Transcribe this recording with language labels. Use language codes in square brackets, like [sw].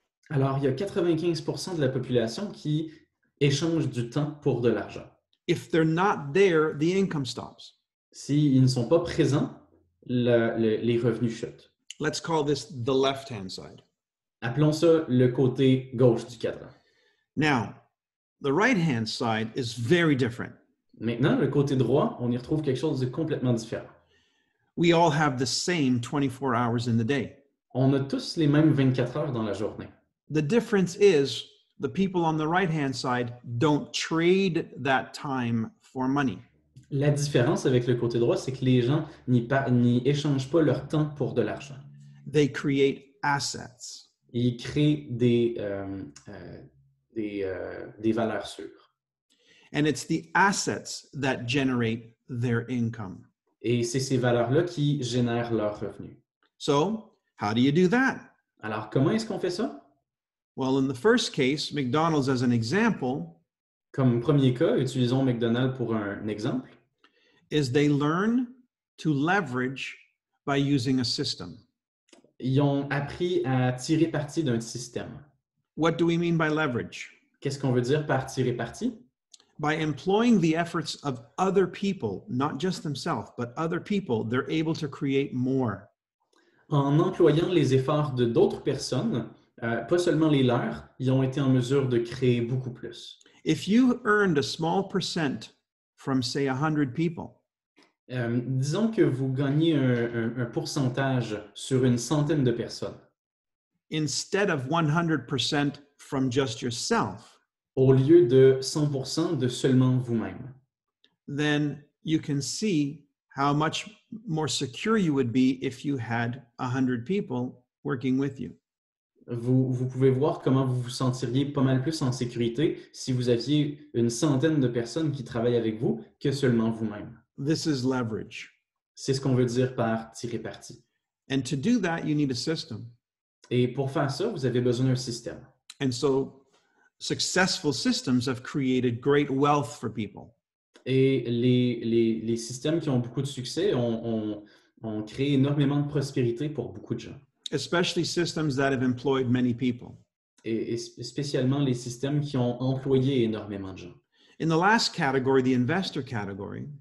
[fr] Alors, il y a 95% de la population qui échange du temps pour de l'argent. [en] If they're not there, the income stops. [fr] S'ils ne sont pas présents, les revenus chutent. [en] Let's call this the left-hand side. [fr] Appelons ça le côté gauche du cadran. [en] Now, the right-hand side is very different. [fr] Maintenant, le côté droit, on y retrouve quelque chose de complètement différent. [en] We all have the same 24 hours in the day. [fr] On a tous les mêmes 24 heures dans la journée. [en] The difference is the people on the right-hand side don't trade that time for money. [fr] La différence avec le côté droit, c'est que les gens n'y échangent pas leur temps pour de l'argent. [en] They create assets. [fr] Ils créent des valeurs sûres. [en] And it's the assets that generate their income. [fr] Et c'est ces valeurs-là qui génèrent leurs revenus. [en] So, how do you do that? [fr] Alors, comment est-ce qu'on fait ça? [en] Well, in the first case, McDonald's as an example. [fr] Comme premier cas, utilisons McDonald's pour un exemple. [en] Is they learn to leverage by using a system. [fr] Ils ont appris à tirer parti d'un système. [en] What do we mean by leverage? [fr] Qu'est-ce qu'on veut dire par tirer parti? [en] By employing the efforts of other people, not just themselves, but other people, they're able to create more. [fr] En employant les efforts de d'autres personnes, pas seulement les leurs, ils ont été en mesure de créer beaucoup plus. [en] If you earned a small percent from, say, 100 people, [fr] disons que vous gagnez un pourcentage sur une centaine de personnes. [en] Instead of 100% from just yourself, [fr] au lieu de 100% de seulement vous-même, [en] then you can see how much more secure you would be if you had 100 people working with you. [fr] Vous pouvez voir comment vous vous sentiriez pas mal plus en sécurité si vous aviez une centaine de personnes qui travaillent avec vous que seulement vous-même. [en] This is leverage. [fr] C'est ce qu'on veut dire par tirer parti. [en] And to do that, you need a system. [fr] Et pour faire ça, vous avez besoin d'un système. [en] And so, successful systems have created great wealth for people. [fr] Et les systèmes qui ont beaucoup de succès ont créé énormément de prospérité pour beaucoup de gens. [en] Especially systems that have employed many people. [fr] Et spécialement les systèmes qui ont employé énormément de gens. [en] In the last category, the investor category.